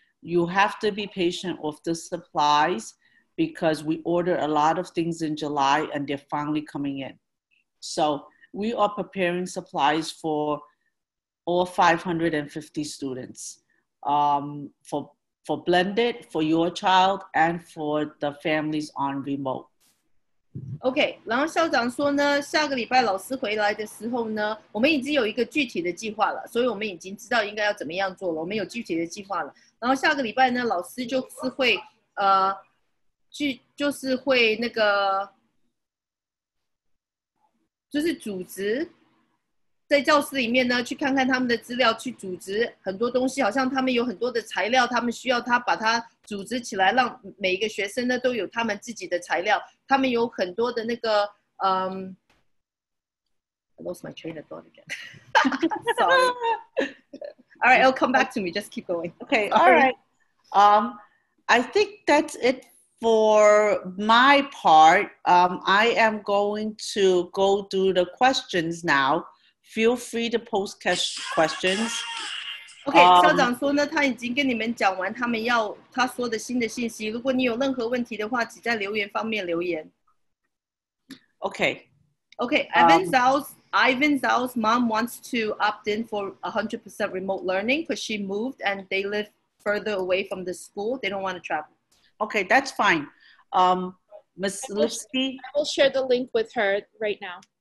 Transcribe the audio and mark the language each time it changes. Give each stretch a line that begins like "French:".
English: You have to be patient with the supplies because we ordered a lot of things in July and they're finally coming in. So we are preparing supplies for all 550 students for blended, for your child, and for the families on remote.
Chinese: Okay, 然后校长说呢, 下个礼拜老师回来的时候呢, 我们已经有一个具体的计划了, 所以我们已经知道应该要怎么样做了, 我们有具体的计划了, 然后下个礼拜呢, 老师就是会, 就是会那个, 就是组织, 在教室里面呢, 去看看他们的资料, 去组织很多东西, 好像他们有很多的材料, 他们需要他把它组织起来, 让每一个学生呢, 都有他们自己的材料, 他们有很多的那个,
English: I lost my train of thought again. Sorry. All right, it'll come back to me. Just keep going. Okay, all right. I think that's it for my part. I am going to go through the questions now. Feel free to post questions.
Chinese: Okay, 校长说呢, 他已经跟你们讲完他们要他说的新的信息, 如果你有任何问题的话, 只在留言方面留言。
English: Okay. Okay, Ivan Zhao's mom wants to opt in for 100% remote learning because she moved and they live further away from the school. They don't want to travel. Okay, that's fine. Ms. Lipsky? I will share the link with her right now.